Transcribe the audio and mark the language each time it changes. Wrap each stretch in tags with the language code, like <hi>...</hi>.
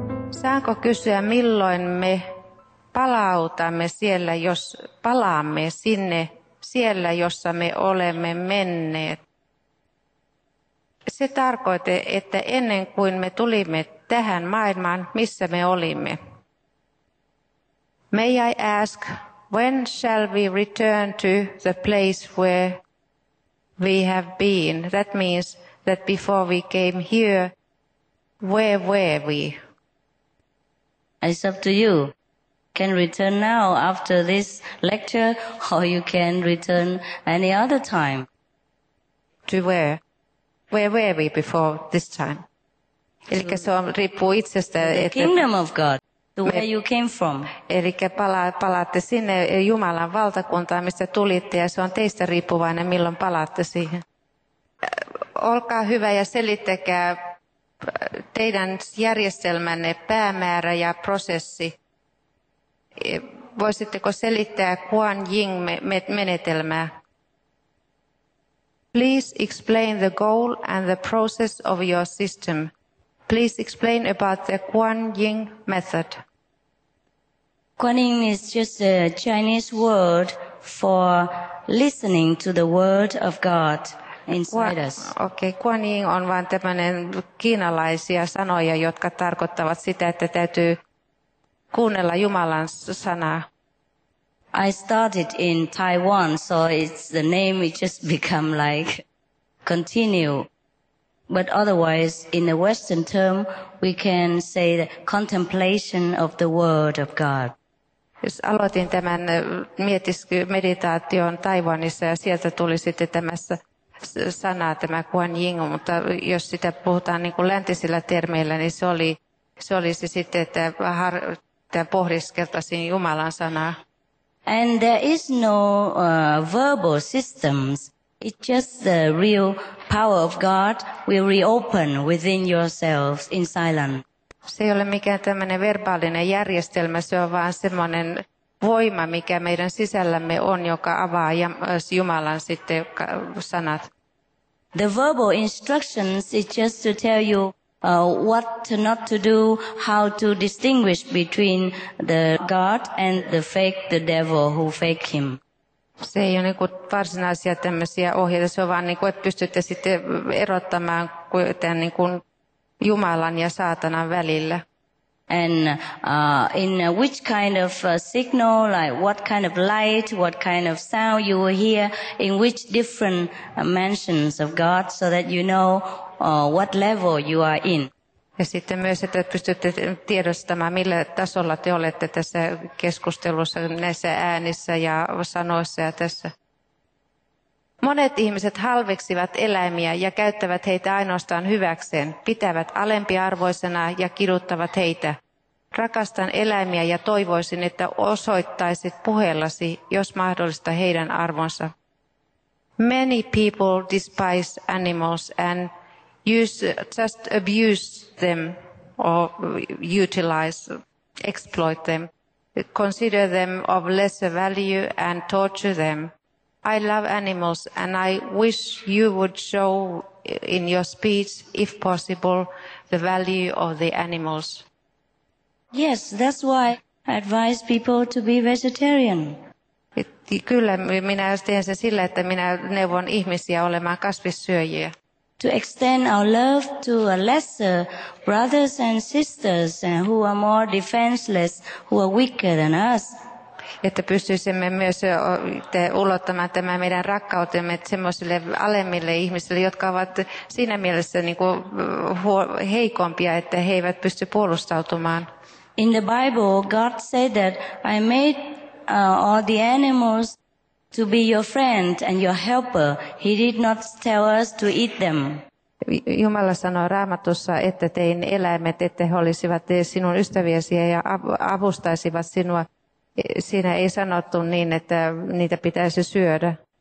<fi>Saanko kysyä, milloin me palautamme siellä, jos palaamme sinne siellä, jossa me olemme menneet? Se tarkoitti, että ennen kuin me tulimme tähän maailmaan, missä me olimme.</fi> <en>May I ask, when shall we return to the place where we have been? That means that before we came here, where were we? It's up to you. Can return now after this lecture, or you can return any other time. To where? Where were we before this time?</en> <fi>Eli se on riippuu itsestä.</fi> <en>The kingdom of God, the way you came from.</en> <fi>Eli palaatte sinne Jumalan valtakuntaan, mistä tulitte, ja se on teistä riippuvainen, milloin palaatte siihen. Olkaa hyvä ja selittäkää teidän järjestelmänne päämäärä ja prosessi. Voisitteko selittää Kuan Ying menetelmää?</fi> <en>Please explain the goal and the process of your system. Please explain about the Kuan Ying method. Kuan Ying is just a Chinese word for listening to the word of God inside us.</en> <fi>Okay, Kuan Ying on vain tämmöinen kiinalaisia sanoja, jotka tarkoittavat sitä, että täytyy kuunnella Jumalan sanaa.</fi> <en>I started in Taiwan, so it's the name, it just become like continue. But otherwise, in the Western term, we can say the contemplation of the word of God.</en> <fi>Jos aloitin tämän meditaation Taiwanissa, ja sieltä tuli sitten tämä sana, tämä Kuan Ying, mutta jos sitä puhutaan niin kuin läntisillä termeillä, niin se oli se sitten, että pohdiskeltaisin Jumalan sanaa.</fi> <en>And there is no verbal systems. It's just the real power of God will reopen within yourselves in silence.</en> <fi>Se ei ole mikään tämmöinen verbaalinen järjestelmä, se on vaan semmoinen voima, mikä meidän sisällämme on, joka avaa Jumalan sitten sanat.</fi> <en>The verbal instructions is just to tell you what not to do, how to distinguish between the God and the fake, the devil who fake him.</en> <fi>Se ei ole niin kuin varsinaisia tämmöisiä ohjeita, se on vaan niin kuin, että pystytte sitten erottamaan tämän niin kuin Jumalan ja saatanan välillä.</fi> <en>And in which kind of signal, like what kind of light, what kind of sound you will hear, in which different mansions of God, so that you know what level you are in.</en> <fi>Ja sitten myös, että pystytte tiedostamaan, millä tasolla te olette tässä keskustelussa, näissä äänissä ja sanoissa ja tässä. Monet ihmiset halveksivat eläimiä ja käyttävät heitä ainoastaan hyväkseen, pitävät alempiarvoisena ja kiduttavat heitä. Rakastan eläimiä ja toivoisin, että osoittaisit puheellasi, jos mahdollista, heidän arvonsa.</fi> <en>Many people despise animals and just abuse them or utilize, exploit them, consider them of lesser value and torture them. I love animals and I wish you would show in your speech, if possible, the value of the animals. Yes, that's why I advise people to be vegetarian.</en> <fi>Kyllä, minä teen sen sillä, että minä neuvon ihmisiä olemaan kasvissyöjiä.</fi> <en>To extend our love to a lesser brothers and sisters and who are more defenseless, who are weaker than us.</en> <fi>Että pystyisimme myös ulottamaan tämä meidän rakkautemme semmoisille alemmille ihmisille, jotka ovat siinä mielessä niin kuin heikompia, että he eivät pysty puolustautumaan.</fi> <en>In the Bible, God said that I made all the animals to be your friend and your helper. He did not tell us to eat them.</en> <fi>Jumala sanoi Raamatussa, että tein eläimet, että he olisivat sinun ystäviäsi ja avustaisivat sinua. Siinä ei sanottu niin, että niitä pitäisi syödä.</fi>